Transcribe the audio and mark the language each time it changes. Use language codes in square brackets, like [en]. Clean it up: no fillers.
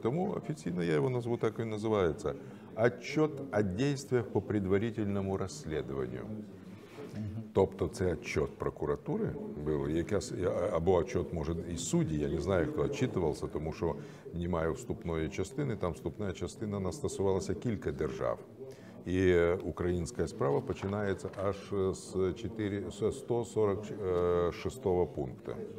[uk] Тому офіційно я його назву, так і називається. [ru] Отчет о действиях по предварительному расследованию. [uk] Тобто це отчет прокуратури був, або отчет, може, і судді, я не знаю, хто отчитувався, тому що немає вступної частини, там вступна частина настосувалася кілька держав. І українська справа починається аж з 146 пункту.